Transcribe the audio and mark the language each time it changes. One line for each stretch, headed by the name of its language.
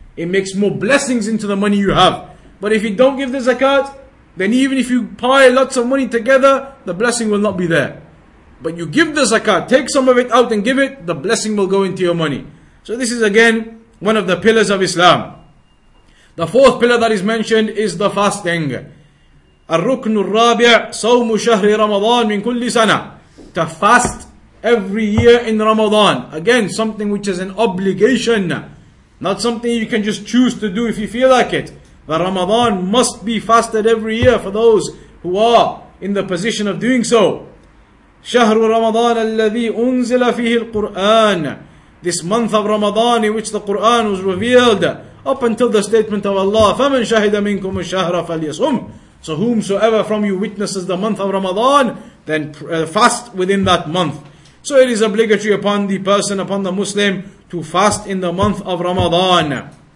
English: It makes more blessings into the money you have. But if you don't give the zakat, then even if you pile lots of money together, the blessing will not be there. But you give the zakat, take some of it out and give it, the blessing will go into your money. So this is again one of the pillars of Islam. The fourth pillar that is mentioned is the fasting.
Arabic: الركن الرابع صوم شهر رمضان من كل سنة.
English: To fast every year in Ramadan. Again, something which is an obligation. Not something you can just choose to do if you feel like it. But Ramadan must be fasted every year for those who are in the position of doing so.
Arabic: شهر رمضان الذي أنزل فيه القرآن.
English: This month of Ramadan in which the Quran was revealed. Up until the statement of Allah,
Arabic: فَمَنْ شَهِدَ مِنْكُمُ الشَّهْرَ فَلْيَصُمْ.
English: So whomsoever from you witnesses the month of Ramadan, then fast within that month. So it is obligatory upon the person, upon the Muslim, to fast in the month of Ramadan.